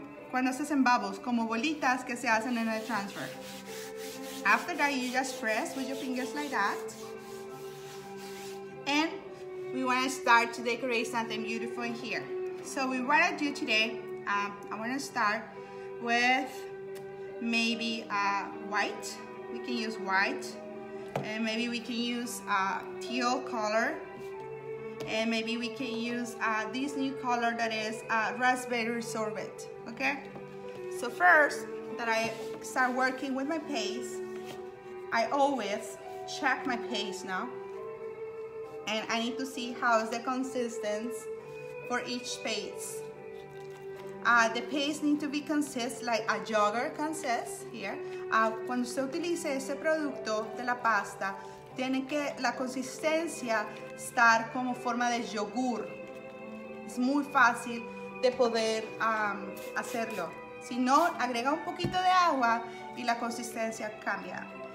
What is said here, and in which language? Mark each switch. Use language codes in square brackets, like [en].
[es] Cuando se hacen bubbles, como bolitas que se hacen en el transfer. [en] After that, you just press with your fingers like that. And we want to start to decorate something beautiful in here. So we want to do today, I want to start with maybe white. We can use white. And maybe we can use a teal color. And maybe we can use this new color that is raspberry sorbet, okay? So first that I start working with my paste, I always check my paste now. And I need to see how is the consistency for each paste. The paste need to be consist like a yogurt consist here. [es] Cuando usted utilice ese producto de la pasta, tiene que la consistencia estar como forma de yogur. Es muy fácil de poder hacerlo. Si no, agrega un poquito de agua y la consistencia cambia.